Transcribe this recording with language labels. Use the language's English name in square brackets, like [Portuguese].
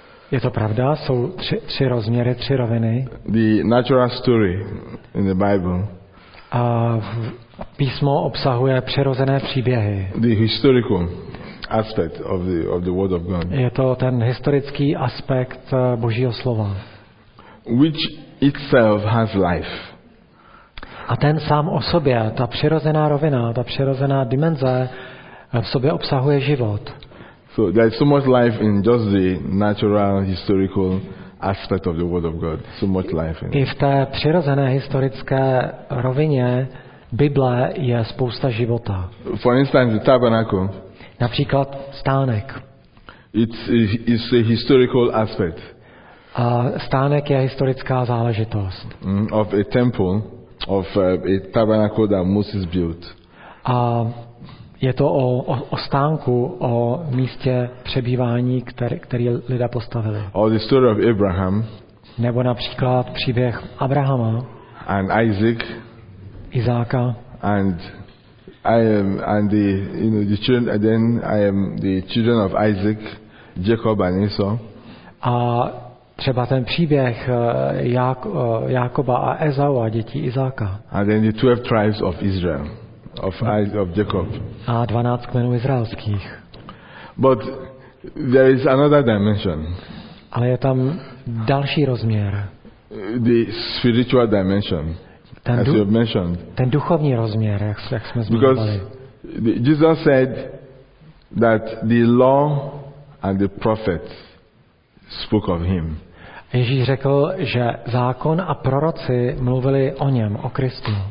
[Czech] Je to pravda, jsou tři rozměry, tři roviny. [English] The natural story in the Bible. [Czech] A písmo obsahuje přirozené příběhy. [English] The historical aspect of the word of God. [Czech] Je to ten historický aspekt Božího slova. [English] Which itself has life. [Czech] A ten sám o sobě, ta přirozená rovina, ta přirozená dimenze v sobě obsahuje život. [English] So there is so much life in just the natural historical aspect of the word of God. So much life in it. [Czech] I v té přirozené historické rovině Bible je spousta života. [English] For instance, the tabernacle. [Czech] Například stánek. [English] It's a historical aspect. [Czech] A stánek je historická záležitost. [English] Of a temple, of a tabernacle that Moses built. [Czech] A je to o stánku, o místě přebývání, který lidé postavili. [English] Or the story of Abraham. [Czech] Nebo například příběh Abrahama. [English] And Isaac. [Czech] Izáka. [English] And I am and the you know the children and then I am the children of Isaac, Jacob and Esau. [Czech] A třeba ten příběh Jákoba a Ezau a dětí Izáka. [English] And then the 12 tribes of Israel. Of Jacob. [Czech] A 12 kmenů izraelských. [English] But there is another dimension. [Czech] Ale je tam další rozměr. [English] The spiritual dimension. As you have mentioned. [Czech] Ten duchovní rozměr, jak jsme zmínili. [English] Because Jesus said that the law and the prophets spoke of him. [Czech] Ježíš řekl, že zákon a proroci mluvili o něm, o Kristu.